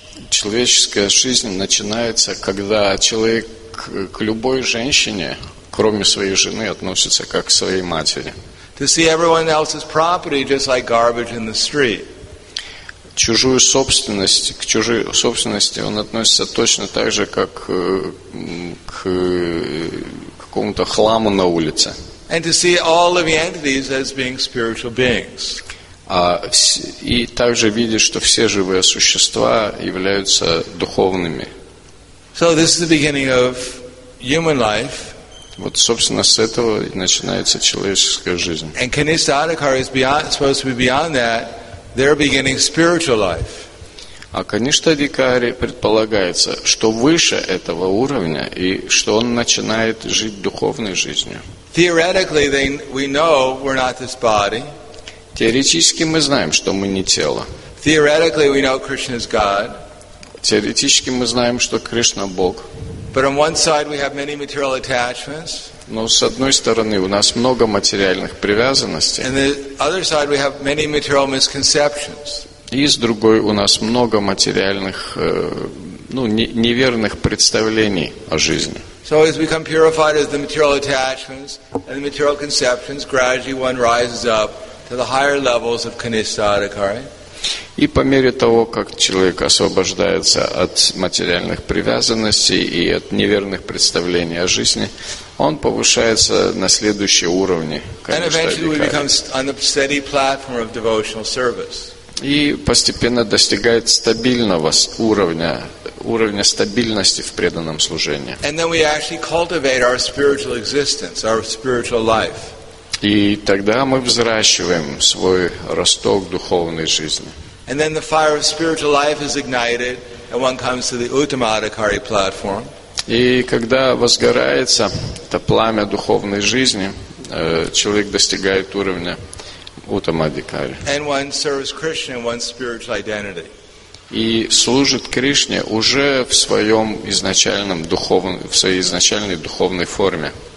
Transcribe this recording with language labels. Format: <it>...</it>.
<ru>Человеческая жизнь начинается, когда человек к любой женщине, кроме своей жены, относится как к своей матери.</ru> <en>To see everyone else's property just like garbage in the street.</en> <ru>К чужой собственности он относится точно так же, как к какому-то хламу на улице.</ru> <en>And to see all living entities as being spiritual beings.</en> <ru>И также видит, что все живые существа являются духовными.</ru> <en>So this is the beginning of human life.</en> <ru>Вот, собственно, с этого и начинается человеческая жизнь.</ru> <en>And Kanista Adhikari is supposed to be beyond that. They're beginning spiritual life.</en> <ru>А Kanista Adhikari предполагается, что выше этого уровня и что он начинает жить духовной жизнью.</ru> <en>Theoretically, we know we're not this body.</en> <ru>Теоретически мы знаем, что мы не тело.</ru> <en>Theoretically, we know Krishna is God.</en> <ru>Теоретически мы знаем, что Кришна Бог.</ru> <en>But on one side we have many material attachments.</en> <ru>Но с одной стороны у нас много материальных привязанностей.</ru> <en>And the other side we have many material misconceptions.</en> <ru>И с другой у нас много материальных ну, неверных представлений о жизни.</ru> <en>So as we become purified as the material attachments and the material conceptions, gradually one rises up to the higher levels of kanishadhikari.</en> <ru>И по мере того, как человек освобождается от материальных привязанностей и от неверных представлений о жизни, он повышается на следующие уровни kanishadhikari.</ru> <en>And eventually we become on the steady platform of devotional service.</en> <ru>И постепенно достигает стабильного уровня, уровня стабильности в преданном служении.</ru> <en>And then we actually cultivate our spiritual existence, our spiritual life.</en> <ru>И тогда мы взращиваем свой росток духовной жизни.</ru> <en>And then the fire of spiritual life is ignited, and one comes to the Uttamadhikari platform.</en> <ru>И когда возгорается это пламя духовной жизни, человек достигает уровня Uttamadhikari.</ru> <en>And one serves Krishna in one's spiritual identity.</en> <ru>И служит Кришне уже в своем изначальном духовном, в своей изначальной духовной форме.</ru>